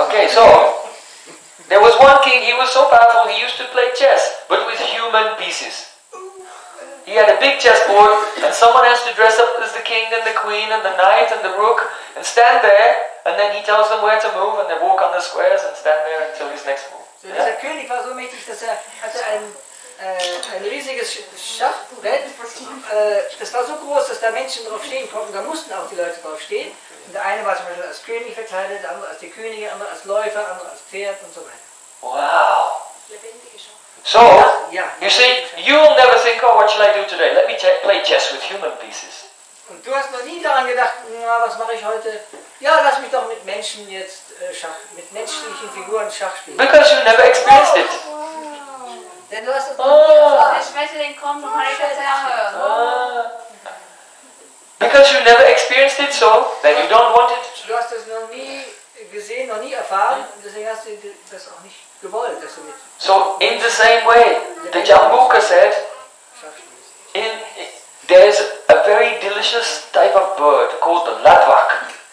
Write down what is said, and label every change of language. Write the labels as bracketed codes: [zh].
[en] Okay, so there was one king. He was so powerful. He used to play chess, but with human pieces. He had a big chessboard, and someone has to dress up as the king and the queen and the knight and the rook and stand there. And then he tells them where to move, and they walk on the squares and stand there until his next move. So yeah. [de] Dieser König war so mächtig, dass er hatte ein riesiges Schachbrett. Das war so groß, dass da Menschen drauf stehen konnten. Da mussten auch die Leute drauf stehen. Und der eine war zum Beispiel als König verteidigt, der andere als die Königin, der andere als Läufer, der andere als Pferd und so weiter. Wow. [en] So, you see, you'll never think, oh, what should I do today? Let me play chess with human pieces. [de] Und du hast noch nie daran gedacht, na, was mache ich heute? Ja, lass mich doch mit Menschen jetzt mit menschlichen Figuren Schach spielen. [en] Because you never experienced it. [de] Denn du hast es noch nie erfahren. Ich möchte den kommen und meine Katze. [en] Because you never experienced it, so then you don't want it. [de] Du hast es noch nie gesehen, noch nie erfahren, und deswegen hast du das auch nicht gewollt, dass du mit. [en] So in the same way, the Jambuka said, there is a very delicious type of bird called the Latwak.